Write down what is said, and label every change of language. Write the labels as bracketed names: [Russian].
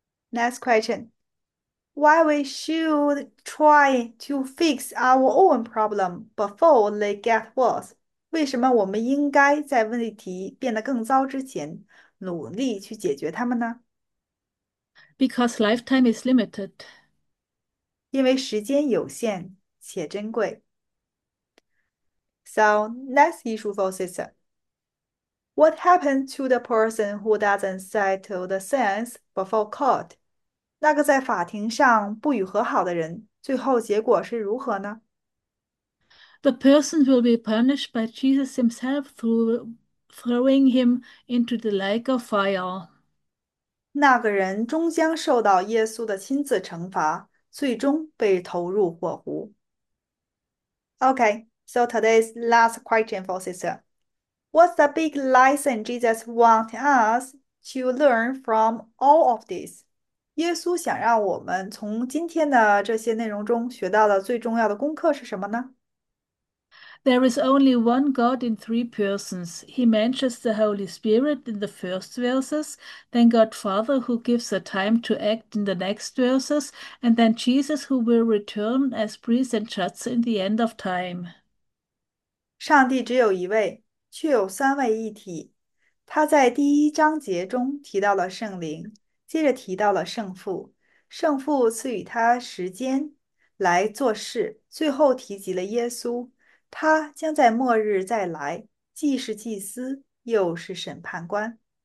[English] Next question. Why we should try to fix our own problem before they get worse? [Chinese] 为什么我们应该在问题变得更糟之前，努力去解决它们呢？ [English] Because lifetime is limited. [Chinese] 因为时间有限。且珍贵。 [English] So, next issue for sister. What happened to the person who doesn't settle the science before court? [Chinese] 那个在法庭上不予和好的人，最后结果是如何呢？ [English] The person will be punished by Jesus himself through throwing him into the lake of fire. [Chinese] 那个人终将受到耶稣的亲自惩罚，最终被投入火湖。 [English] Okay, so today's last question for sister. What's the big lesson Jesus wants us to learn from all of this? [Chinese] 耶稣想让我们从今天的这些内容中学到的最重要的功课是什么呢？ [English] There is only one God in three persons. He mentions the Holy Spirit in the first verses, then God Father, who gives a time to act in the next verses, and then Jesus, who will return as priest and judge in the end of time. [Chinese] 上帝只有一位，却有三位一体。他在第一章节中提到了圣灵，接着提到了圣父。圣父赐予他时间来做事，最后提及了耶稣。他将在末日再来，既是祭司，又是审判官。